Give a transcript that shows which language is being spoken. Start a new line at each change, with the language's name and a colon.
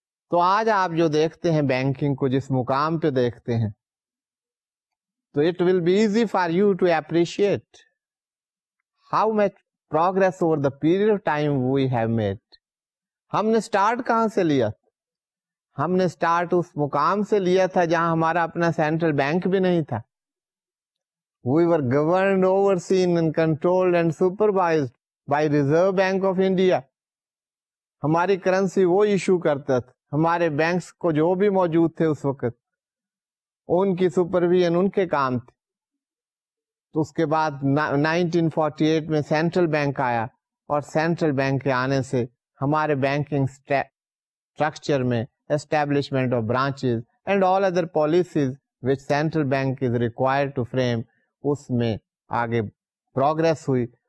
Urdu: تو آج آپ جو دیکھتے ہیں بینکنگ کو جس مقام پہ دیکھتے ہیں تو
English: It will be easy for you to appreciate how much progress over the period of time we have made.
Urdu: ہم نے اسٹارٹ کہاں سے لیا؟ ہم نے اسٹارٹ اس مقام سے لیا تھا جہاں ہمارا اپنا سینٹرل بینک بھی نہیں تھا.
English: We were governed, overseen and controlled and supervised by Reserve Bank of India.
Urdu: ہماری کرنسی وہ ایشو کرتا تھا. ہمارے بینکس کو جو بھی موجود تھے اس وقت ان کی سپرویژن ان کے کام تھے. تو اس کے بعد 1948 میں سینٹرل بینک آیا اور سینٹرل بینک کے آنے سے ہمارے بینکنگ اسٹرکچر میں
English: establishment of branches and all other policies which central bank is required to frame
Urdu: اس میں آگے پروگریس ہوئی.